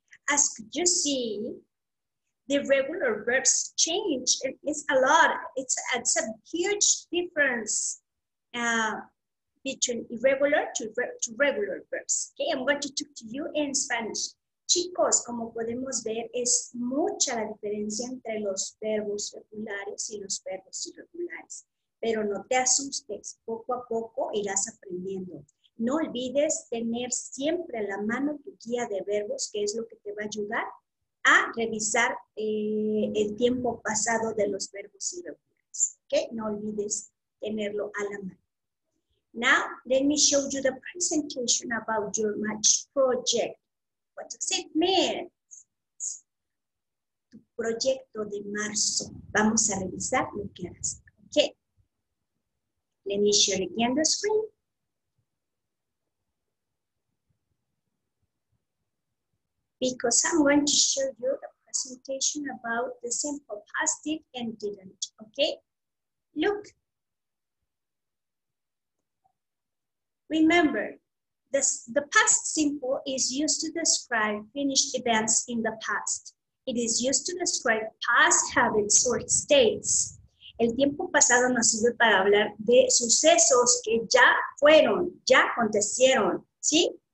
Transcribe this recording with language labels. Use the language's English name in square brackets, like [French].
[English] As you see, the regular verbs change. It's a lot. It's a huge difference between irregular to regular verbs. Okay, I'm going to talk to you in Spanish. [Spanish] Chicos, como podemos ver, es mucha la diferencia entre los verbos regulares y los verbos irregulares. Pero no te asustes, poco a poco irás aprendiendo. No olvides tener siempre a la mano tu guía de verbos, que es lo que te va a ayudar a revisar el tiempo pasado de los verbos irregulares. ¿Okay? No olvides tenerlo a la mano. [English] Now, let me show you the presentation about your match project. What does it mean? [Spanish] Tu proyecto de marzo. Vamos a revisar lo que harás. [English] ¿Okay? Let me show you again the screen. Because I'm going to show you a presentation about the simple past did and didn't, okay? Look. Remember, the past simple is used to describe finished events in the past. It is used to describe past habits or states. [Spanish] El tiempo pasado nos sirve para hablar de sucesos que ya fueron, ya acontecieron, ¿sí?